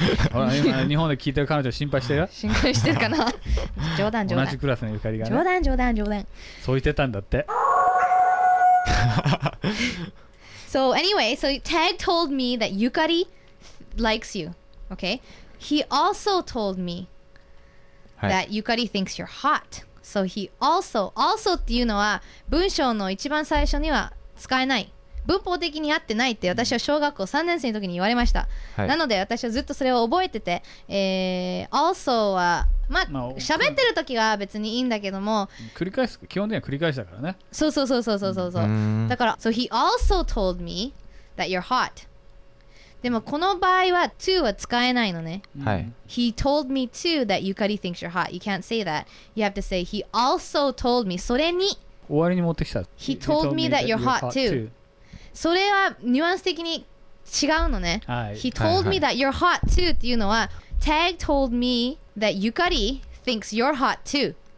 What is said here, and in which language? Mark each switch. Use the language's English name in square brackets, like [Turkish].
[Japanese] ほら、今日本で聞いてる彼女心配してるよ。心配してるかな。冗談冗談。同じクラスの Yukari がね。冗談冗談冗談。そう言ってたんだって。 [English] So anyway, so Tag told me that Yukari likes you. Okay. He also told me. That Yukari thinks you're hot. So he also, [Japanese] also っていうのは文章の一番最初には使えない、文法的に合ってないって私は小学校3年生の時に言われました、はい、なので私はずっとそれを覚えてて、also はまあ喋、ってる時は別にいいんだけども、繰り返す、基本的には繰り返したからね。そうそうそうそうそうそう、うん、だから [English] So he also told me that you're hot。 [Japanese] でもこの場合は to は使えないのね、はい、 [English] He told me too that Yukari thinks you're hot. You can't say that. You have to say he also told me. [Japanese] それに終わりに持ってきた。 [English] He told me that you're hot too. [Japanese] それはニュアンス的に違うのね、はい、 [English] He told me that you're hot too [Japanese] っていうのは [English] Tag told me that Yukari thinks you're hot too、